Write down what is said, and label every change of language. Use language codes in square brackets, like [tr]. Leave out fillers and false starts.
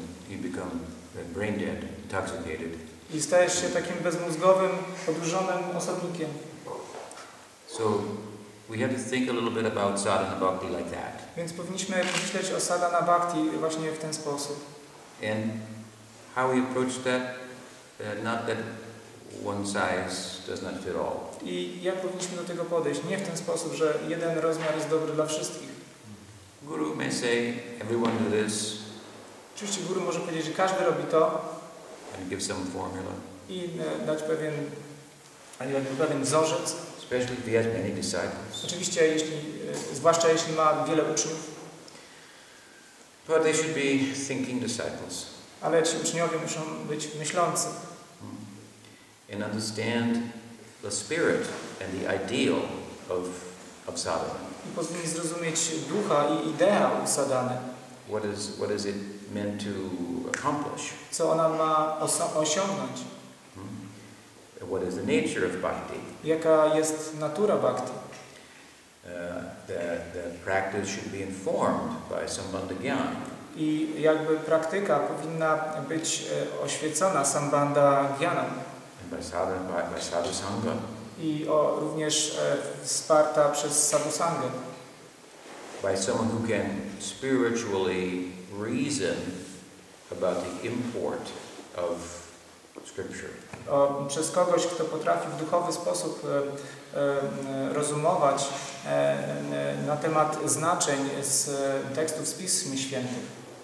[en] You become brain dead, intoxicated. [pl] I stajesz się takim bezmózgowym, odurzonym osobnikiem. [en] So we have to think a little bit about sadhana bhakti like that. [pl] Więc powinniśmy myśleć o sadhana bhakti właśnie w ten sposób. [en] And how we approach that, not that one size does not fit all. [pl] I jak powinniśmy do tego podejść? Nie w ten sposób, że jeden rozmiar jest dobry dla wszystkich. [en] Guru may say, everyone do this. [pl] Oczywiście guru może powiedzieć, że każdy robi to. [en] And give some formula. [pl] I dać pewien, wzorzec. [en] Especially if he has many disciples. [pl] Oczywiście, zwłaszcza jeśli ma wiele uczniów. [en] But they should be thinking disciples. [pl] Ale ci uczniowie muszą być myślący. [en] And understand the spirit and the ideal of sadhana. [pl] I powinni zrozumieć ducha i ideał sadhany. [en] What is it meant to accomplish? [pl] Co ona ma osiągnąć? [en] What is the nature of bhakti? [pl] Jaka jest natura bhakti? [en] The practice should be informed by sambandha gyan. [pl] I jakby praktyka powinna być oświecona sambandha gyanam. [en] And by sadhu sangha. [pl] I również wsparta przez sadhu sangha. [en] By someone who can spiritually reason about the import of scripture. [pl] Przez kogoś, kto potrafi w duchowy sposób rozumować na temat znaczeń z tekstów z Pism Świętych.